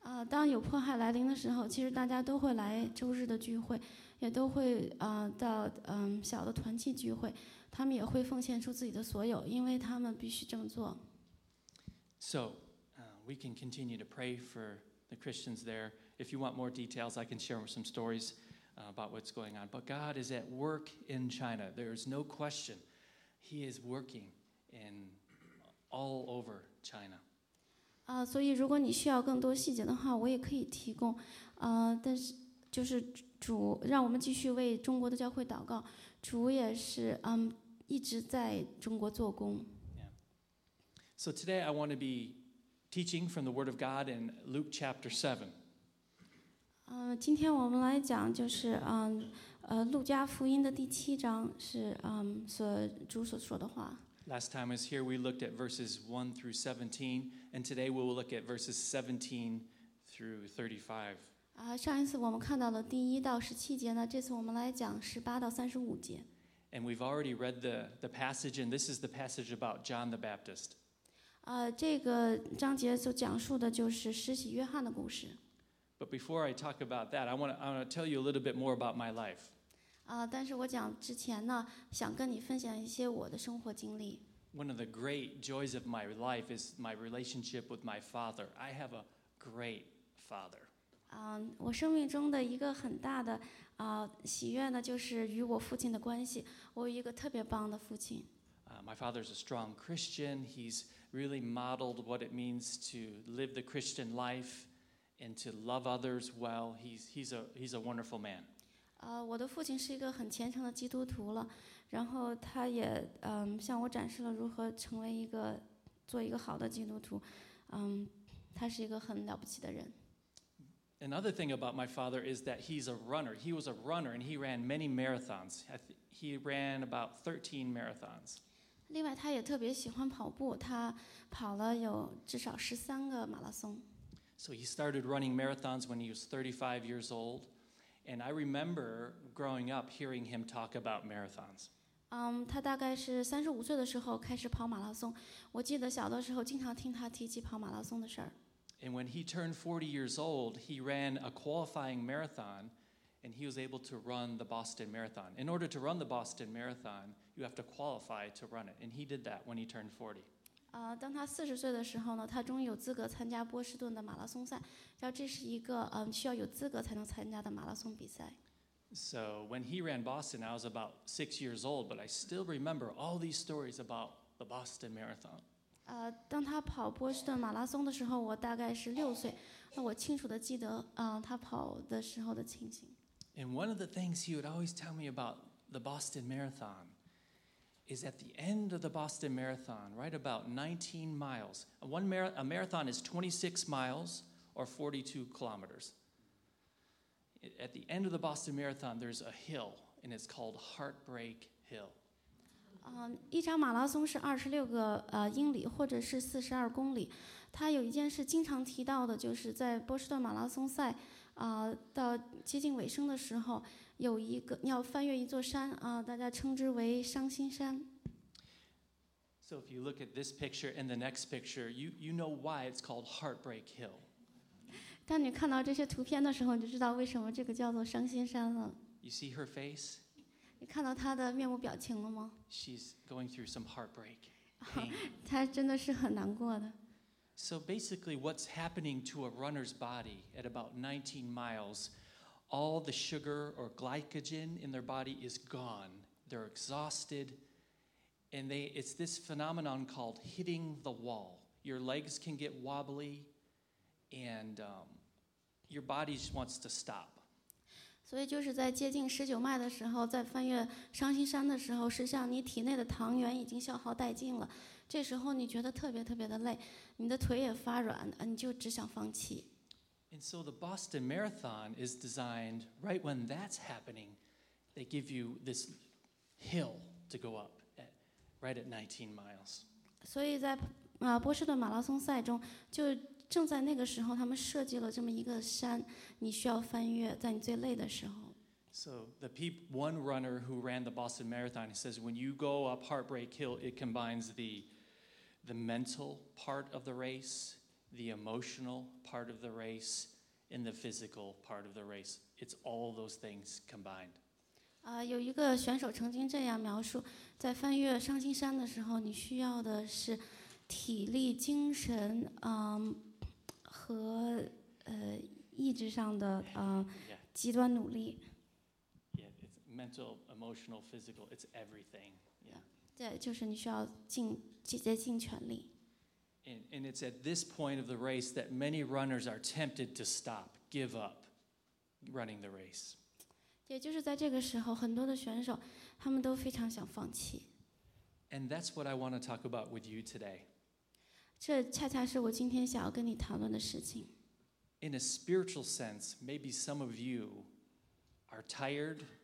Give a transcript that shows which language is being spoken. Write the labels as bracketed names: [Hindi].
[Chinese] 当有迫害来临的时候，其实大家都会来周日的聚会。也都会到小的团契聚会，他们也会奉献出自己的所有，因为他们必须这么做。 [English] So, we can continue to pray for the Christians there. If you want more details, I can share some stories about what's going on. But God is at work in China. There is no question. He is working in all over China. [Chinese] 所以如果你需要更多细节的话，我也可以提供。但是就是。主，让我们继续为中国的教会祷告。主也是一直在中国做工。 [English] Yeah. So today I want to be teaching from the Word of God in Luke chapter 7. [Chinese] 今天我们来讲就是路加福音的第七章是所主所说的话。 [English] Last time I was here, we looked at verses 1 through 17, and today we will look at verses 17 through 35. [Chinese] 上一次我们看到了第一到十七节呢，这次我们来讲十八到三十五节。 [English] And we've already read the passage, and this is the passage about John the Baptist. [Chinese] 这个章节所讲述的就是施洗约翰的故事。 [English] But before I talk about that, I want to tell you a little bit more about my life. [Chinese] 但是我讲之前呢，想跟你分享一些我的生活经历。 [English] One of the great joys of my life is my relationship with my father. I have a great father. [Chinese] 我生命中的一个很大的喜悦呢，就是与我父亲的关系。我有一个特别棒的父亲。 [English] My father's a strong Christian. He's really modeled what it means to live the Christian life and to love others well. He's a wonderful man. [Chinese] 我的父亲是一个很虔诚的基督徒了，然后他也向我展示了如何成为一个做一个好的基督徒，他是一个很了不起的人。 [English] Another thing about my father is that he's a runner. He was a runner and he ran many marathons. He ran about 13 marathons. [Chinese] 另外，他也特别喜欢跑步，他跑了有至少13个马拉松。 [English] So he started running marathons when he was 35 years old. And I remember growing up hearing him talk about marathons. [Chinese] 他大概是35岁的时候开始跑马拉松。我记得小的时候经常听他提起跑马拉松的事儿。 [English] And when he turned 40 years old, he ran a qualifying marathon, and he was able to run the Boston Marathon. In order to run the Boston Marathon, you have to qualify to run it. And he did that when he turned 40. [Chinese] 当他40岁的时候呢，他终于有资格参加波士顿的马拉松赛。这是一个需要有资格才能参加的马拉松比赛。 [English] So when he ran Boston, I was about 6 years old, but I still remember all these stories about the Boston Marathon. [Chinese] 当他跑波士顿马拉松的时候，我大概是六岁，那我清楚地记得他跑的时候的情形。 [English] And one of the things he would always tell me about the Boston Marathon is at the end of the Boston Marathon, right about 19 miles. A marathon is 26 miles. Or 42 kilometers. At the end of the Boston Marathon, there's a hill, and it's called Heartbreak Hill. [Chinese] 一场马拉松是26个英里，或者是42公里。他有一件事经常提到的，就是在波士顿马拉松赛到接近尾声的时候，有一个要翻越一座山大家称之为伤心山。 [English] So if you look at this picture and the next picture, you know why it's called Heartbreak Hill. [Chinese] 当你看到这些图片的时候，你就知道为什么这个叫做伤心山了。 [English] You see her face? [Chinese] 你看到她的面部表情了吗？ [English] She's going through some heartbreak. [Chinese] 她真的是很难过的。 [English] So basically, what's happening to a runner's body at about 19 miles? All the sugar or glycogen in their body is gone. They're exhausted, and it's this phenomenon called hitting the wall. Your legs can get wobbly. And your body just wants to stop. [Chinese] 所以就是在接近十九迈的时候，在翻越伤心山的时候，实际上你体内的糖原已经消耗殆尽了。这时候你觉得特别特别的累，你的腿也发软，你就只想放弃。 [English] And so the Boston Marathon is designed right when that's happening, they give you this hill to go up at, right at 19 miles. [Chinese] 所以在波士顿马拉松赛中就。正在那个时候，他们设计了这么一个山，你需要翻越，在你最累的时候。 [English] So the one runner who ran the Boston Marathon, he says, when you go up Heartbreak Hill, it combines the mental part of the race, the emotional part of the race, and the physical part of the race. It's all those things combined. [Chinese] 有一个选手曾经这样描述，在翻越伤心山的时候，你需要的是体力、精神，和意志上的极端努力。 [English] Yeah, it's mental, emotional, physical. It's everything. Yeah. [Chinese] 对，就是你需要竭尽全力。 [English] And it's at this point of the race that many runners are tempted to stop, give up, running the race. [Chinese] 也就是在这个时候，很多的选手他们都非常想放弃。 [English] And that's what I want to talk about with you today. [Chinese] 这恰恰是我今天想要跟你谈论的事情。 [English] In a spiritual sense, maybe some of you are tired,